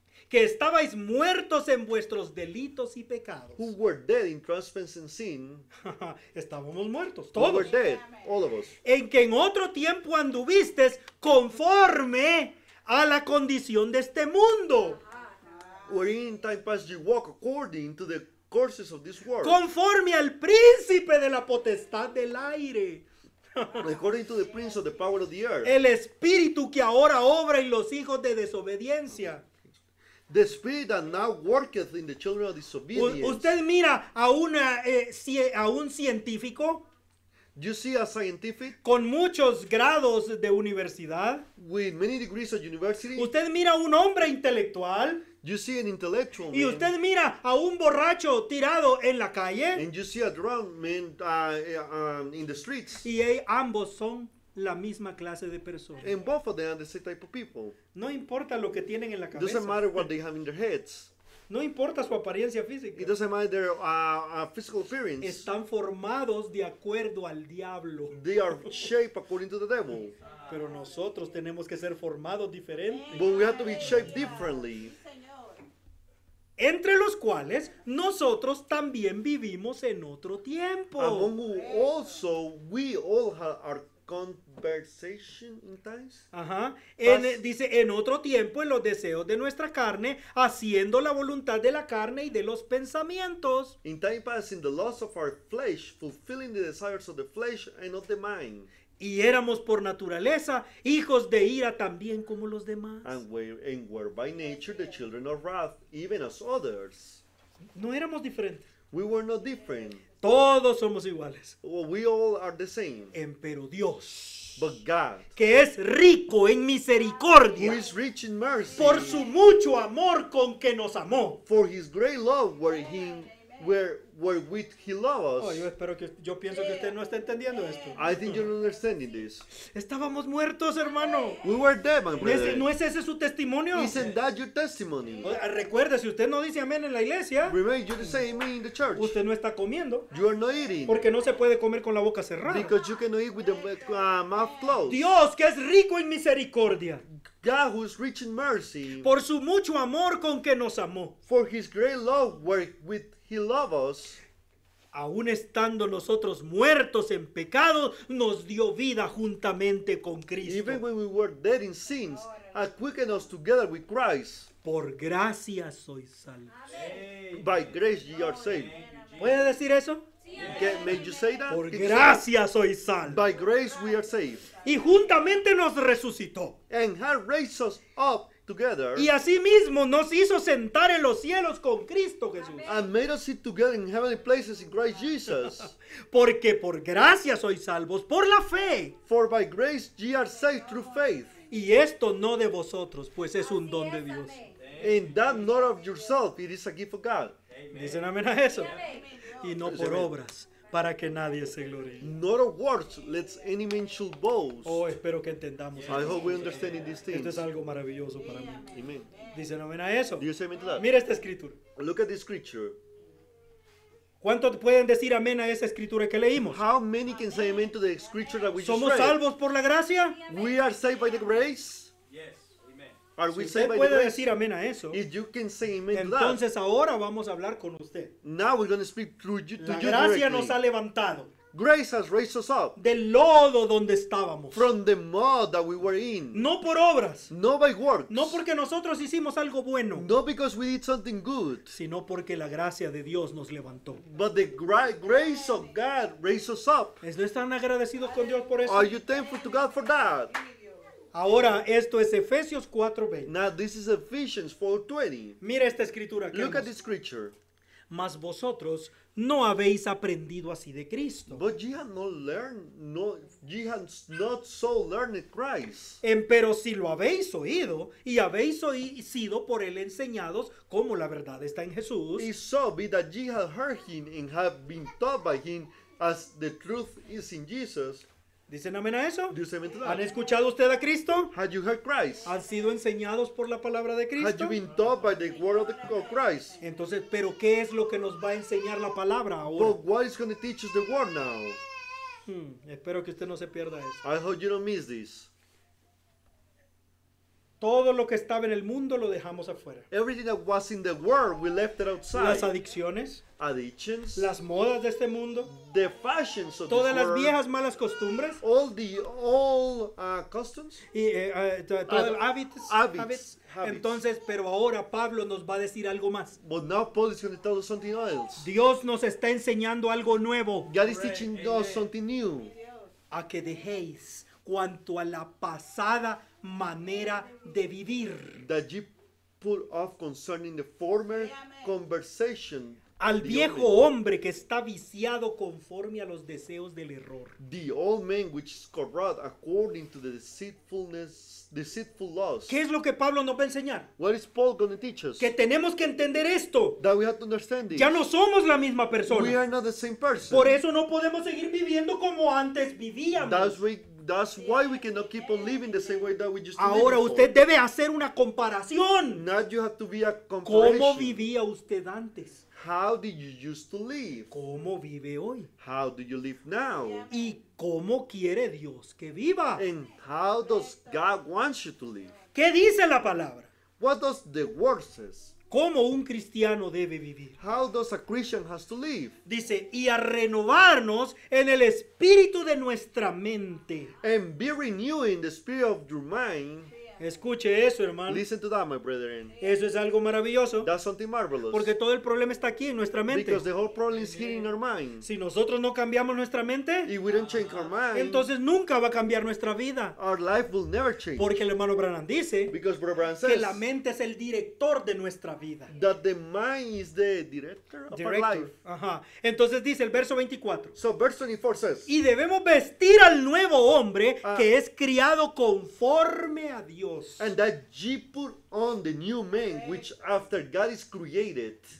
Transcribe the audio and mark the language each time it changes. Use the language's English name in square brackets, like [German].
[Spanish] que estabais muertos en vuestros delitos y pecados. [English] Who were dead in trespasses and sin. [Spanish] Estábamos muertos, todos. [English] We were dead, all of us. [Spanish] En que en otro tiempo anduvisteis conforme a la condición de este mundo. [English] Where in time past you walk according to the courses of this world. [Spanish] Conforme al príncipe de la potestad del aire. [English] According to the prince of the power of the earth. [Spanish] El espíritu que ahora obra en los hijos de desobediencia. [English] The spirit that now worketh in the children of disobedience. [Spanish] Usted mira a una a un científico. [English] You see a scientific. [Spanish] Con muchos grados de universidad. [English] With many degrees of university. [Spanish] Usted mira a un hombre intelectual. [English] You see an intellectual man. [Spanish] Y usted mira a un borracho tirado en la calle. [English] And you see a drunk man in the streets. [Spanish] Y ambos son la misma clase de personas. [English] And both of them are the same type of people. [Spanish] No importa lo que tienen en la cabeza. [English] Doesn't matter what they have in their heads. [Spanish] No importa su apariencia física. [English] It doesn't matter their physical appearance. [Spanish] Están formados de acuerdo al diablo. [English] They are shaped according to the devil. [Spanish] Pero nosotros tenemos que ser formados diferente. [English] But we have to be shaped differently. [Spanish] Entre los cuales nosotros también vivimos en otro tiempo. [English] Among who also we all have our conversation in times. Ajá. [Spanish] Dice, en otro tiempo, en los deseos de nuestra carne, haciendo la voluntad de la carne y de los pensamientos. [English] In time past, in the lust of our flesh, fulfilling the desires of the flesh and of the mind. [Spanish] Y éramos por naturaleza hijos de ira también como los demás. [English] And were by nature the children of wrath, even as others. [Spanish] No éramos diferentes. [English] We were not different. [Spanish] Todos somos iguales. [English] Well, we all are the same. [Spanish] Pero Dios. [English] But God. [Spanish] Que es rico en misericordia. [English] Who is rich in mercy. [Spanish] Por su mucho amor con que nos amó. [English] For his great love wherewith he loves us. [Spanish] Oh, yo pienso que usted no está entendiendo esto. [English] I think you're not understanding this. [Spanish] Estábamos muertos, hermano. [English] We were dead, my brother. [Spanish] ¿No es ese su testimonio? [English] Isn't that your testimony? [Spanish] Recuerde, si usted no dice amén en la iglesia. [English] Remember, you didn't say amen in the church. [Spanish] Usted no está comiendo. [English] You are not eating. [Spanish] Porque no se puede comer con la boca cerrada. [English] Because you cannot eat with the mouth closed. [Spanish] Dios, que es rico en misericordia. [English] God who is rich in mercy. [Spanish] Por su mucho amor con que nos amó. [English] For his great love wherewith he loves us. [Spanish] aun estando nosotros muertos en pecado, nos dio vida juntamente con Cristo. [English] Even when we were dead in sins, ha quickened us together with Christ. [Spanish] Por gracia sois salvos. [English] Amen. By grace ye are saved. [Spanish] ¿Puede decir eso? [English] Yeah, may you say that? [Spanish] Por gracia soy salvo. [English] By grace we are saved. [Spanish] Y juntamente nos resucitó. [English] And has raised us up together. [Spanish] Y asimismo nos hizo sentar en los cielos con Cristo Jesús. [English] And made us sit together in heavenly places in Christ Jesus. [Spanish] Porque por gracia soy salvos por la fe. [English] For by grace ye are saved through faith. [Spanish] Y esto no de vosotros, pues es un don de Dios. [English] And that not of yourself, it is a gift of God. [Spanish] Dicen amén a eso. Y no por obras, para que nadie se gloríe. [English] Not of works, let any man should boast. [Spanish] Oh, espero que entendamos. [English] I hope we understand these things. [Spanish] Esto es algo maravilloso para mí. [English] Amen. [Spanish] Dicen amén a eso. [English] Do you say amen to that? [Spanish] Mira esta escritura. [English] Look at this scripture. [Spanish] ¿Cuántos pueden decir amén a esa escritura que leímos? [English] How many can say amen to the scripture that we just read? [Spanish] ¿Somos salvos por la gracia? [English] We are saved by the grace. Are [Spanish] si [English] we saved [Spanish] puede [English] by the [Spanish] decir amén a eso, [English] if you can say amen [Spanish] entonces [English] to that, [Spanish] ahora vamos a hablar con usted. [English] Now we're going to speak through you, to [Spanish] la [English] you [Spanish] gracia [English] directly. [Spanish] Nos ha levantado. [English] Grace has raised us up. [Spanish] Del lodo donde estábamos. [English] From the mud that we were in. [Spanish] No por obras. [English] No by works. [Spanish] No porque nosotros hicimos algo bueno. [English] No because we did something good. [Spanish] Sino porque la gracia de Dios nos levantó. [English] But the grace of God raised us up. [Spanish] ¿Están agradecidos con Dios por eso? [English] Are you thankful to God for that? [Spanish] Ahora, esto es Efesios 4:20. [English] Now, this is Ephesians 4:20. [Spanish] Mira esta escritura. [English] Look at this scripture. [Spanish] Mas vosotros no habéis aprendido así de Cristo. [English] But ye have not learned, ye have not so learned Christ. [Spanish] Empero si lo habéis oído, y habéis sido por él enseñados, como la verdad está en Jesús. [English] If so be that ye have heard him, and have been taught by him, as the truth is in Jesus. [Spanish] ¿Dicen amén a eso? [English] Do you say amen to that? [Spanish] ¿Han escuchado usted a Cristo? [English] Have you heard Christ? [Spanish] ¿Han sido enseñados por la palabra de Cristo? [English] Have you been taught by the word of, Christ? [Spanish] Entonces, ¿pero qué es lo que nos va a enseñar la palabra ahora? [English] But what is going to teach us the word now? [Spanish] Espero que usted no se pierda eso. [English] I hope you don't miss this. [Spanish] Todo lo que estaba en el mundo lo dejamos afuera. [English] Everything that was in the world, we left it outside. [Spanish] Las adicciones. [English] Addictions. [Spanish] Las modas de este mundo. [English] The fashions of this world. [Spanish] Todas las viejas malas costumbres. [English] All the old customs. [Spanish] Y todos los hábitos. [English] Habits. [Spanish] Entonces, pero ahora Pablo nos va a decir algo más. [English] But now Paul is going to tell us something else. [Spanish] Dios nos está enseñando algo nuevo. [English] God is teaching us something new. [Spanish] A que dejéis cuanto a la pasada manera de vivir. [English] That you put off concerning the former conversation. [Spanish] Al viejo hombre que está viciado conforme a los deseos del error. [English] The old man which is corrupt according to the deceitful lust. [Spanish] ¿Qué es lo que Pablo nos va a enseñar? [English] What is Paul going to teach us? [Spanish] Que tenemos que entender esto. [English] That we have to understand this. [Spanish] Ya no somos la misma persona. [English] We are not the same person. [Spanish] Por eso no podemos seguir viviendo como antes vivíamos. [English] That's why we cannot keep on living the same way that we just did. [Spanish] Ahora usted debe hacer una comparación. [English] Now you have to be a comparison. [Spanish] ¿Cómo vivía usted antes? [English] How did you used to live? [Spanish] ¿Cómo vive hoy? [English] How do you live now? [Spanish] ¿Y cómo quiere Dios que viva? [English] And how does God want you to live? [Spanish] ¿Qué dice la palabra? [English] What does the word says? [Spanish] ¿Cómo un cristiano debe vivir? [English] How does a Christian has to live? [Spanish] Dice, y a renovarnos en el espíritu de nuestra mente. [English] And be renewed in the spirit of your mind. [Spanish] Escuche eso, hermano. [English] Listen to that, my brethren. [Spanish] Eso es algo maravilloso. [English] That's something marvelous. [Spanish] Porque todo el problema está aquí, en nuestra mente. [English] Because the whole problem is here in our mind. [Spanish] Si nosotros no cambiamos nuestra mente, [English] if we don't change our mind, [Spanish] entonces nunca va a cambiar nuestra vida. [English] Our life will never change. [Spanish] Porque el hermano Branham dice, [English] because Brother Branham says, [Spanish] que la mente es el director de nuestra vida. [English] That the mind is the director of our life. [Spanish] Ajá. Entonces dice el verso 24. [English] So verse 24 says, [Spanish] y debemos vestir al nuevo hombre que es criado conforme a Dios. [English] And that ye put on the new man, which after God is created.